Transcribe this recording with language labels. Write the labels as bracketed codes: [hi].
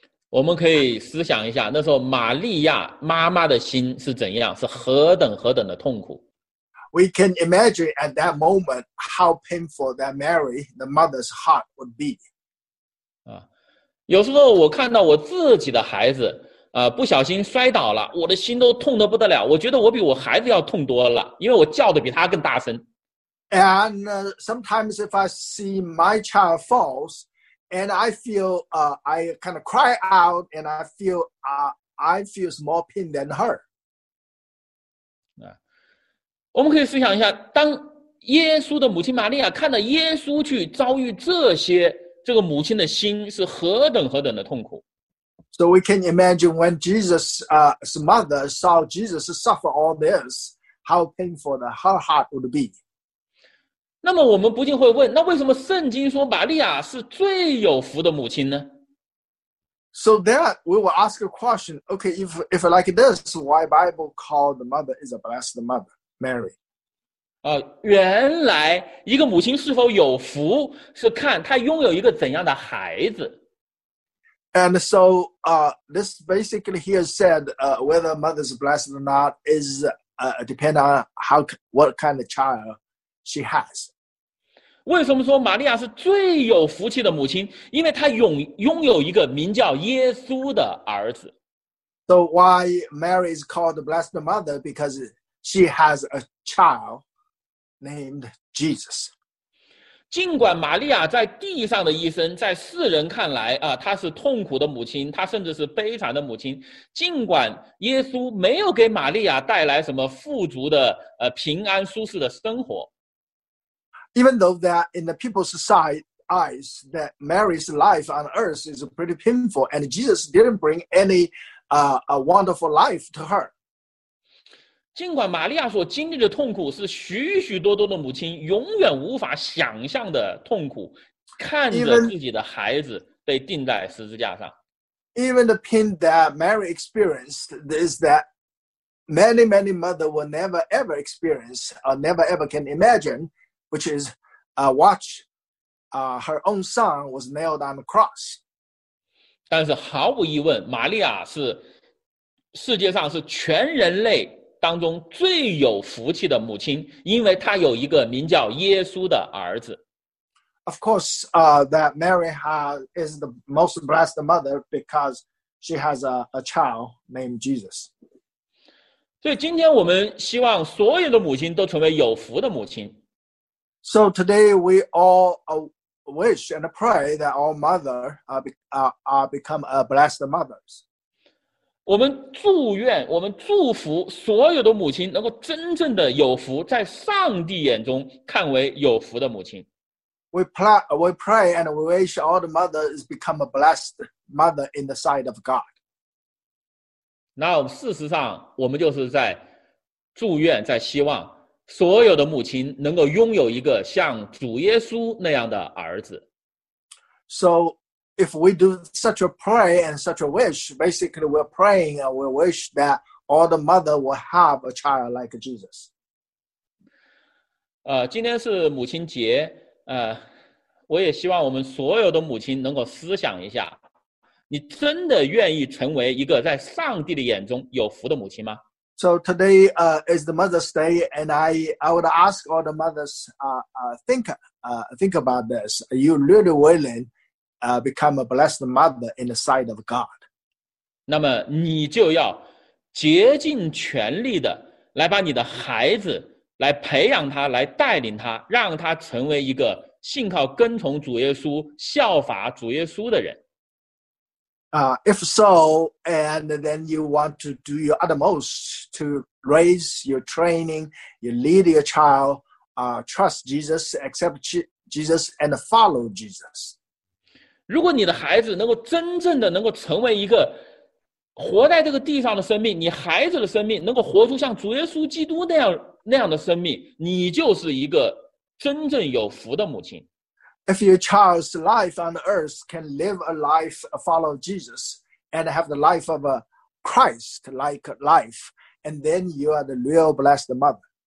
[zh] 我们可以思想一下，那时候玛利亚妈妈的心是怎样，是何等何等的痛苦。 [en] We can imagine at that moment how painful that Mary, the mother's heart would be. [zh] 有时候我看到我自己的孩子不小心摔倒了，我的心都痛得不得了，我觉得我比我孩子要痛多了，因为我叫得比他更大声。 [en] And sometimes if I see my child falls, and I feel, I kind of cry out, and I feel more pain than her. [zh] 我们可以思想一下，当耶稣的母亲玛利亚看到耶稣去遭遇这些，这个母亲的心是何等何等的痛苦。 [en] So we can imagine when Jesus' mother saw Jesus suffer all this, how painful her heart would be. [zh] 那么我们不禁会问，那为什么圣经说玛利亚是最有福的母亲呢？ [en] So that we will ask a question. Okay, if like this, why Bible called the mother is a blessed mother, Mary? [zh] 原来一个母亲是否有福，是看她拥有一个怎样的孩子。 [en] And so, this basically here said, whether mother is blessed or not is depend on what kind of child. She has. [zh] 为什么说玛利亚是最有福气的母亲？因为她拥有一个名叫耶稣的儿子。 [en] So why Mary is called the blessed mother? Because she has a child named Jesus. [zh] 尽管玛利亚在地上的一生，在世人看来她是痛苦的母亲，她甚至是悲惨的母亲。尽管耶稣没有给玛利亚带来什么富足的平安舒适的生活。 [en] Even though that in the people's side eyes that Mary's life on earth is pretty painful and Jesus didn't bring any a wonderful life to her. [zh] 尽管玛利亚所经历的痛苦是许许多多的母亲永远无法想象的痛苦，看着自己的孩子被钉在十字架上。 [en] Even the pain that Mary experienced is that many, many mothers will never ever experience or never ever can imagine. Which is, her own son was nailed on the cross. [zh] 但是毫无疑问，玛利亚是世界上是全人类当中最有福气的母亲，因为她有一个名叫耶稣的儿子。 [en] of course, that Mary is the most blessed mother because she has a child named Jesus. [zh] 所以今天我们希望所有的母亲都成为有福的母亲。 [en] So today we all wish and pray that all mothers are become a blessed mothers. [zh] 我们祝愿，我们祝福所有的母亲能够真正的有福，在上帝眼中看为有福的母亲。 [en] We pray and we wish all the mothers become a blessed mother in the sight of God. [zh] 那事实上我们就是在祝愿在希望所有的母亲能够拥有一个像主耶稣那样的儿子。 [en] So if we do such a prayer and such a wish, basically we're praying and we wish that all the mother will have a child like Jesus. [zh] 今天是母亲节，我也希望我们所有的母亲能够思想一下。你真的愿意成为一个在上帝的眼中有福的母亲吗？ [en] So today is the Mother's Day, and I would ask all the mothers think about this. Are you really willing become a blessed mother in the sight of God? [zh] 那么你就要竭尽全力的来把你的孩子来培养他，来带领他，让他成为一个信靠跟从主耶稣、效法主耶稣的人。 [en] If so, and then you want to do your utmost to raise your training, you lead your child, trust Jesus, accept Jesus, and follow Jesus. [zh] 如果你的孩子能够真正的能够成为一个活在这个地上的生命，你孩子的生命能够活出像主耶稣基督那样的生命，你就是一个真正有福的母亲。 [en] If your child's life on earth can live a life follow Jesus and have the life of a Christ-like life, and then you are the real blessed mother.